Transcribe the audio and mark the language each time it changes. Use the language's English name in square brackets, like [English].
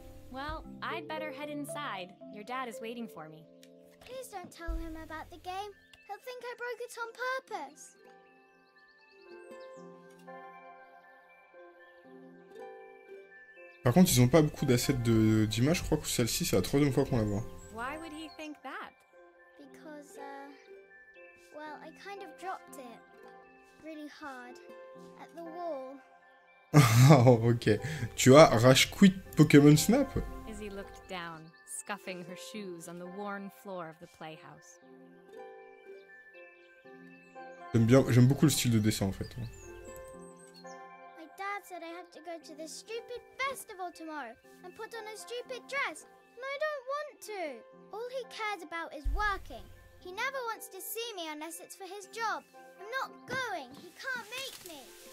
[English] Well, I'd better head inside. Your dad is waiting for me. Please don't tell him about the game. He'll think I broke it on purpose. [French] Par contre, ils ont pas beaucoup d'assets d'image. Je crois que celle-ci, c'est la troisième fois qu'on la voit. [English] Why would he think that? Because, well, I kind of dropped it really hard at the wall. [French] Oh, ok. Tu as rage quit Pokémon Snap? [English] Izzy looked down, scuffing her shoes on the worn floor of the playhouse. [French] J'aime beaucoup le style de dessin en fait. [English] My dad said I have to go to this stupid festival tomorrow and put on a stupid dress. No, I don't want to. All he cares about is working. He never wants to see me unless it's for his job. I'm not going. He can't make me.